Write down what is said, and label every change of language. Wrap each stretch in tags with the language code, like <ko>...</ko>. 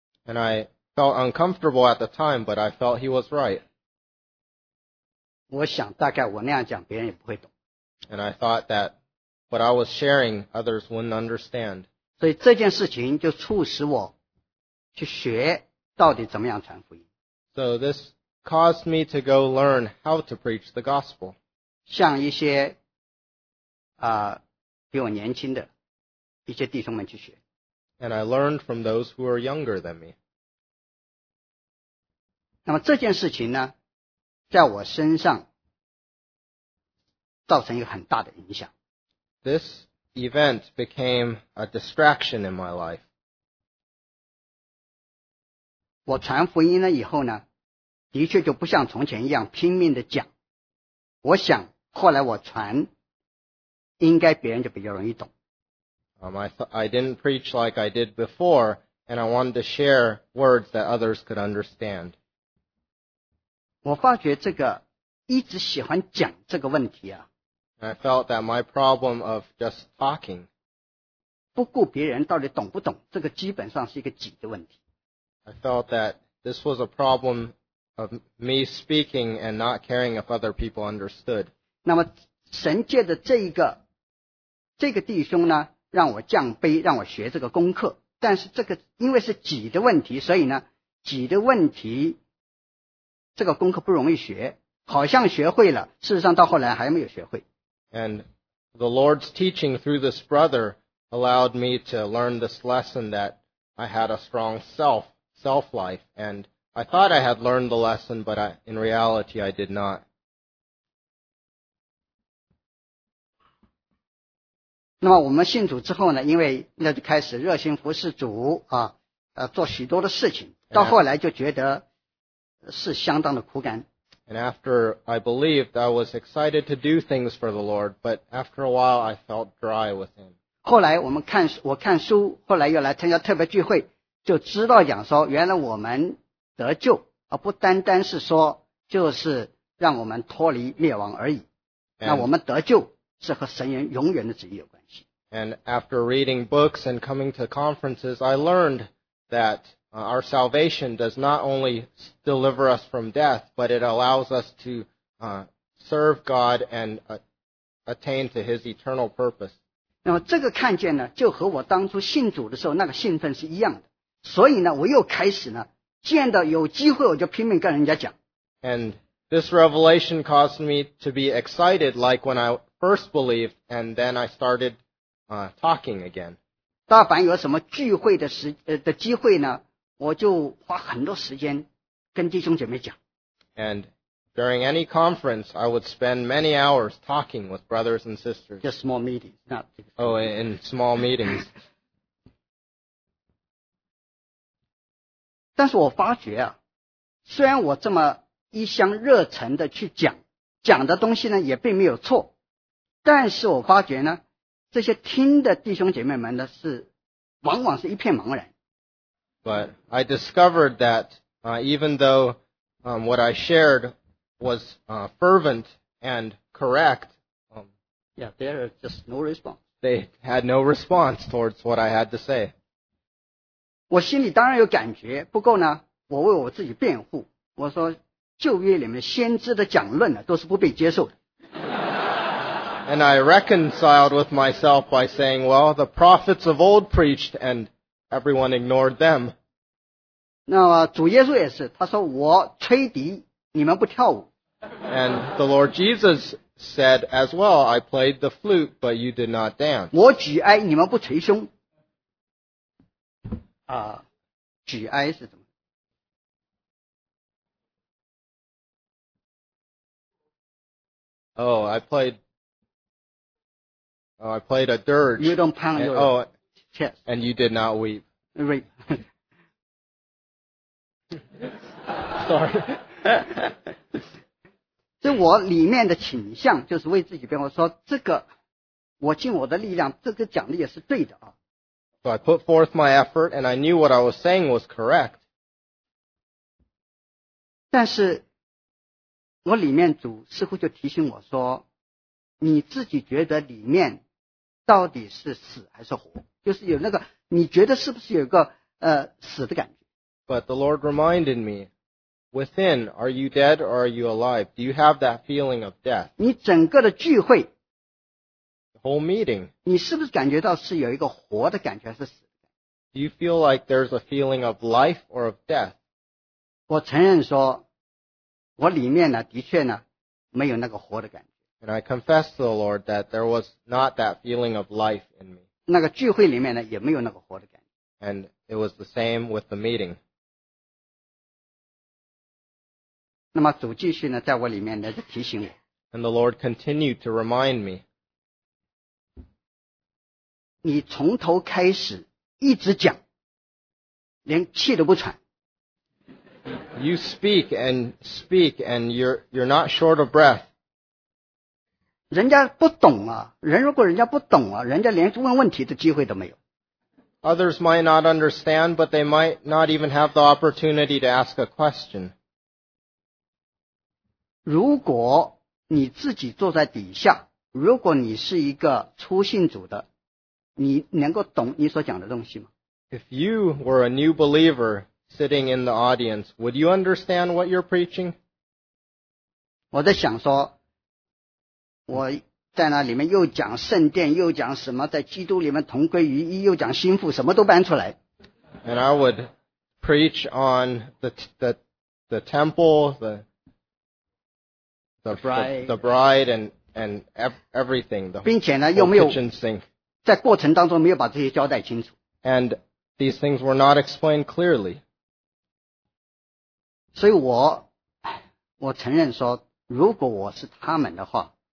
<en>And I felt uncomfortable at the time, but I felt he was right.</en> <zh>我想大概我那样讲，别人也不会懂。</zh> <en>And I thought that what I was sharing, others wouldn't understand.</en> <zh>所以这件事情就促使我去学到底怎么样传福音。</zh> <en>So this caused me to go learn how to preach the gospel.</en> <zh>向一些比我年轻的一些弟兄们去学。</zh> <en>And I learned from those who are younger than me.</en> <zh>那么这件事情呢，在我身上造成一个很大的影响。</zh> <en>This event became a distraction in my life.</en> <zh>我传福音了以后呢，的确就不像从前一样拼命的讲。我想后来我传，应该别人就比较容易懂。</zh> <en>I didn't preach like I did before, and I wanted to share words that others could understand.</en> <zh>我发觉这个一直喜欢讲这个问题啊。</zh> <en>I felt that my problem of just talking,</en> <zh>不顾别人到底懂不懂，这个基本上是一个己的问题。</zh> <en>I felt that this was a problem of me speaking and not caring if other people understood.</en> <zh>那么神借着这个弟兄呢，让我降卑，让我学这个功课。但是这个因为是己的问题，所以呢，己的问题，这个功课不容易学。好像学会了，事实上到后来还没有学会。</zh> <en>And the Lord's teaching through this brother allowed me to learn this lesson that I had a strong self life, and I thought I had learned the lesson, but in reality I did not.</en> <zh>那么我们信主之后呢，因为那就开始热心服侍主啊，做许多的事情，到后来就觉得是相当的苦干。</zh> <en>And after I believed, I was excited to do things for the Lord, but after a while, I felt dry with Him.</en> <zh>后来我看书，后来又来参加特别聚会，就知道讲说，原来我们得救，而不单单是说，就是让我们脱离灭亡而已。那我们得救是和神人永远的旨意有关系。</zh> <en>And after reading books and coming to conferences, I learned that our salvation does not only deliver us from death, but it allows us to serve God and attain to His eternal purpose.</en> <zh>那么这个看见呢，就和我当初信主的时候那个兴奋是一样的。所以呢，我又开始呢，见到有机会我就拼命跟人家讲。</zh> <en>And this revelation caused me to be excited like when I first believed, and then I started talking again.</en> <zh>大凡有什么聚会的机会呢？我就花很多时间跟弟兄姐妹讲。</zh> <en>And during any conference, I would spend many hours talking with brothers and sisters. Just small meetings, not. Oh, in small meetings.</en> <zh>但是我发觉啊，虽然我这么一腔热忱的去讲，讲的东西呢也并没有错，但是我发觉呢，这些听的弟兄姐妹们呢是，往往是一片茫然。</zh> <en>But I discovered that even though what I shared was fervent and correct, there is just no response. They had no response towards what I had to say.</en> <zh>我心里当然有感觉，不过呢，我为我自己辩护，我说旧约里面先知的讲论呢都是不被接受的。</zh> <en>And I reconciled with myself by saying, well, the prophets of old preached and everyone ignored them.</en> <zh>那主耶稣也是，他说我吹笛，你们不跳舞。</zh> <en>And the Lord Jesus said as well, I played the flute, but you did not dance.</en> <zh>我举哀，你们不捶胸。举哀是什么？</zh> <en>I played a dirge. You don't pound your chest. And you did not weep. Weep. Sorry.</en> <zh>这我里面的倾向就是为自己辩护，说这个我尽我的力量，这个讲的也是对的啊。</zh> <en>So I put forth my effort, and I knew what I was saying was correct.</en> <zh>但是我里面主似乎就提醒我说，你自己觉得里面到底是死还是活，就是有那个你觉得是不是有个死的感觉。</zh> <en>But the Lord reminded me, within, are you dead or are you alive? Do you have that feeling of death?</en> <zh>你整个的聚会</zh> <en>the whole meeting,</en> <zh>你是不是感觉到是有一个活的感觉还是死的感觉？</zh> <en>Do you feel like there's a feeling of life or of death?</en> <zh>我承认说我里面呢的确呢没有那个活的感觉。</zh> <en>And I confess to the Lord that there was not that feeling of life in me.</en> <zh>那个聚会里面呢，也没有那个活的感觉。</zh> <en>And it was the same with the meeting.</en> <zh>那么主继续呢在我里面呢提醒我。</zh> <en>And the Lord continued to remind me.</en> <zh>你从头开始一直讲，连气都不喘。</zh> <en>You speak and speak and you're not short of breath.</en> <zh>人家不懂啊，人如果人家不懂啊，人家连问问题的机会都没有。</zh> <en>Others might not understand, but they might not even have the opportunity to ask a question.</en> <zh>如果你自己坐在底下，如果你是一个初信主的，你能够懂你所讲的东西吗？</zh> <en>If you were a new believer sitting in the audience, would you understand what you're preaching?</en> <zh>我在想说，我在那里面又讲圣殿，又讲什么在基督里面同归于一，又讲心腹，什么都搬出来。</zh> <en>And I would preach on the temple, the bride and everything, the whole kitchen sink.</en> <zh>并且呢，又没有在过程当中没有把这些交代清楚。</zh> <en>And these things were not explained clearly.</en> <zh>所以我承认说，如果我是他们的话。</zh>